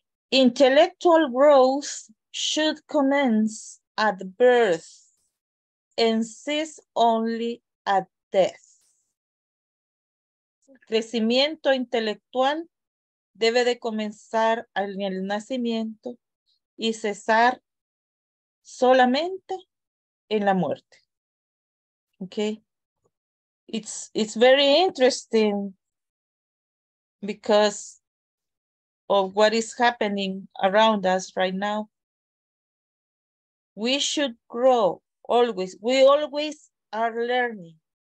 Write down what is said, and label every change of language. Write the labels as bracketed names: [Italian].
[English] Intellectual growth should commence at birth and cease only at death. [Spanish] Crecimiento intelectual debe de comenzar en el nacimiento y cesar solamente en la muerte. [English] Okay? It's very interesting because of what is happening around us right now. We should grow always. We always are learning.